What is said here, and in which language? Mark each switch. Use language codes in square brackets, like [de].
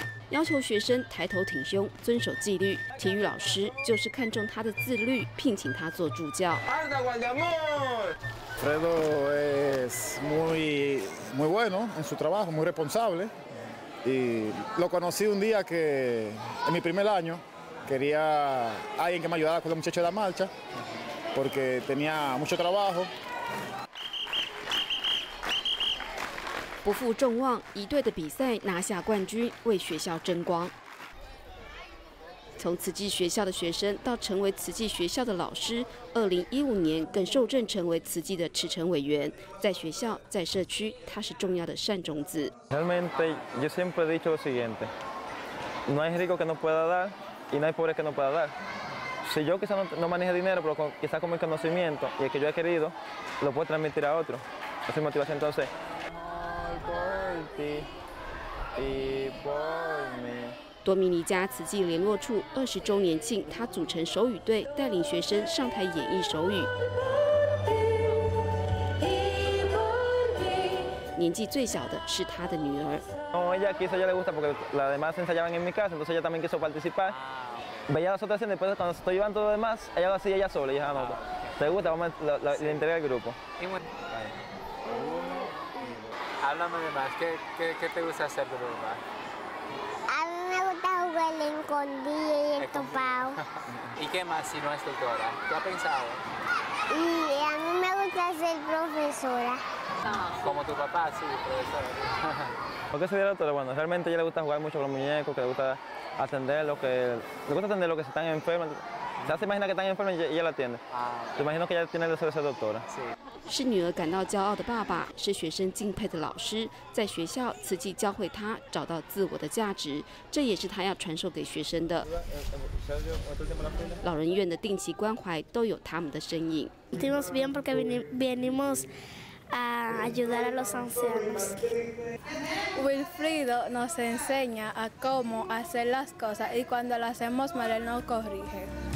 [zh] 要求学生抬头挺胸，遵守纪律。体育老师就是看中他的自律，聘请他做助教。 [es] Fredo es muy muy bueno en su trabajo, muy responsable. Y lo conocí un día que en mi primer año quería alguien que me ayudara con los muchachos de la marcha. Porque tenía mucho trabajo. [zh] 不负众望，一队的比赛拿下冠军，为学校争光。从慈济学校的学生到成为慈济学校的老师，2015年更受证成为慈济的慈诚委员。在学校，在社区，他是重要的善种子。 [es] Realmente, yo siempre he dicho lo siguiente: no hay rico que no pueda dar, y no hay pobre que no pueda dar. Si yo quizá no maneje dinero, pero quizá con mi conocimiento y el que yo he querido, lo puedo transmitir a otro. Esa es mi motivación entonces. All for me y for me. [zh] 多米尼加慈济联络处20周年庆，他组成手语队，带领学生上台演绎手语。年纪最小的是他的女儿。 [es] No, ella quiso, ella le gusta porque las demás ensayaban en mi casa, entonces ella también quiso participar. Veía las otras después cuando estoy llevando todo lo demás, ella lo hacía ella sola y dije, no, te gusta, vamos a la integrar el grupo. Háblame de más, ¿qué te gusta hacer de verdad? A mí me gusta jugar el escondido y el topado. ¿Y qué más si no es tutora? ¿Tú has pensado? Y a mí me gusta ser profesora. Como tu papá, sí, profesora. ¿Por qué se dio la doctora? Bueno, realmente a ella le gusta jugar mucho con los muñecos, que le gustaAtender lo que le gusta atender lo que están enfermos. Ya se imagina que están enfermos y ella la atiende. Se imagino que ella tiene que ser esa doctora. [zh] 是女儿感到骄傲的爸爸，是学生敬佩的老师。在学校，慈济教会他找到自我的价值，这也是他要传授给学生的。老人院的定期关怀都有他们的身影。 [es] Estamos bien porque venimos. A ayudar a los ancianos. Wilfrido nos enseña a cómo hacer las cosas y cuando las hacemos mal él nos corrige.